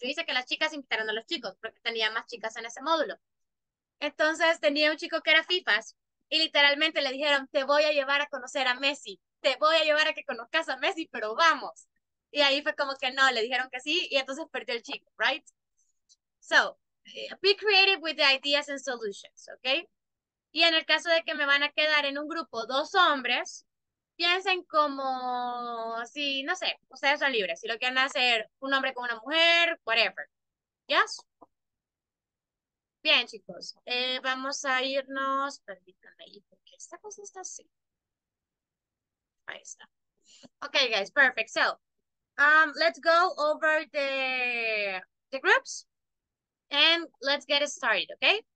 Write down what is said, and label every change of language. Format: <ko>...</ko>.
<es>Yo hice que las chicas invitaran a los chicos, porque tenía más chicas en ese módulo. Entonces tenía un chico que era FIFA y literalmente le dijeron, te voy a llevar a conocer a Messi, te voy a llevar a que conozcas a Messi, pero vamos. Y ahí fue como que no, le dijeron que sí, y entonces perdió el chico, right?</es> <en>So, be creative with the ideas and solutions, okay?</en> <es>Y en el caso de que me van a quedar en un grupo dos hombres, piensen como, si, no sé, ustedes son libres, si lo quieren hacer un hombre con una mujer, whatever. Yes? Bien, chicos, vamos a irnos, permítanme ahí, porque esta cosa está así. Ahí está.</es> <en>Okay, guys, perfect. So, let's go over the groups and let's get started, okay?</en>